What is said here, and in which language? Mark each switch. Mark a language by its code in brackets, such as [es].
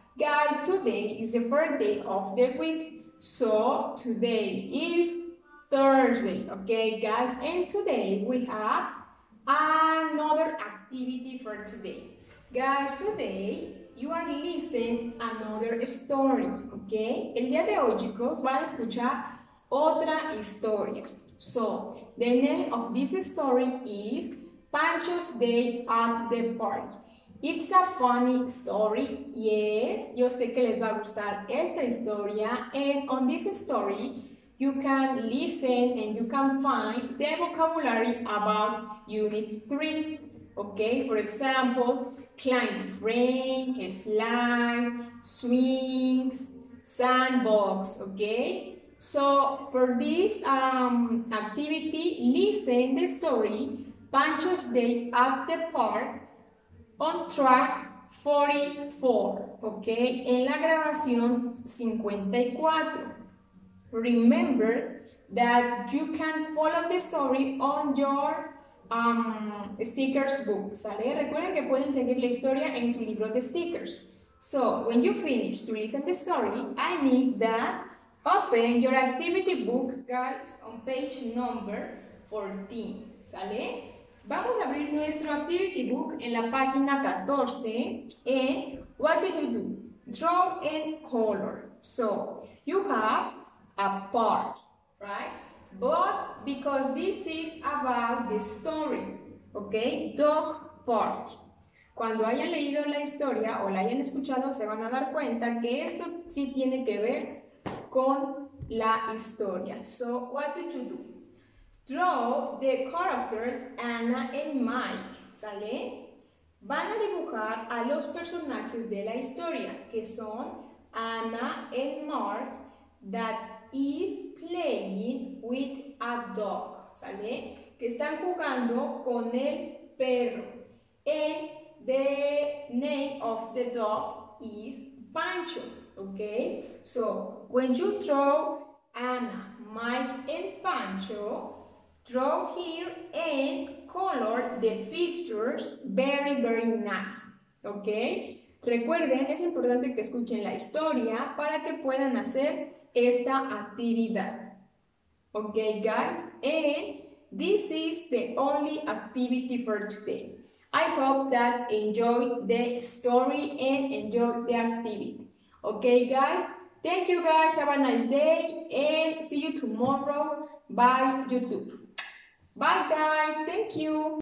[en] Guys, today is the first day of the week, so today is Thursday, okay guys? And today we have another activity for today. Guys, today you are listening another story, okay? El día de hoy, chicos, van a escuchar otra historia. So, the name of this story is Pancho's Day at the Park. It's a funny story. Yes, [es] yo sé que les va a gustar esta historia. [en] And on this story, you can listen and you can find the vocabulary about Unit 3. Okay, for example, climb frame, slide, swings, sandbox. Okay, so for this activity, listen the story Pancho's Day at the Park on track 44, okay? [es] En la grabación 54. [en] Remember that you can follow the story on your stickers book, ¿sale? [es] Recuerden que pueden seguir la historia en su libro de stickers. [en] So, when you finish to listen the story, I need that open your activity book, guys, on page number 14, ¿sale? [es] Vamos a abrir nuestro activity book en la página 14. [en] And what did you do? Draw and color. So, you have a park, right? But because this is about the story, okay? Dog park. [es] Cuando hayan leído la historia o la hayan escuchado, se van a dar cuenta que esto sí tiene que ver con la historia. [en] So, what did you do? Draw the characters Anna and Mike, ¿sale? [es] Van a dibujar a los personajes de la historia, que son [en] Anna and Mark, that is playing with a dog, [es] ¿sale? Que están jugando con el perro. [en] And the name of the dog is Pancho, okay? So, when you draw Anna, Mike and Pancho, draw here and color the pictures very, very nice, ¿ok? [es] Recuerden, es importante que escuchen la historia para que puedan hacer esta actividad, ¿ok, guys? [en] And this is the only activity for today. I hope that enjoy the story and enjoy the activity, ¿ok, guys? Thank you, guys. Have a nice day and see you tomorrow by YouTube. Bye guys, thank you.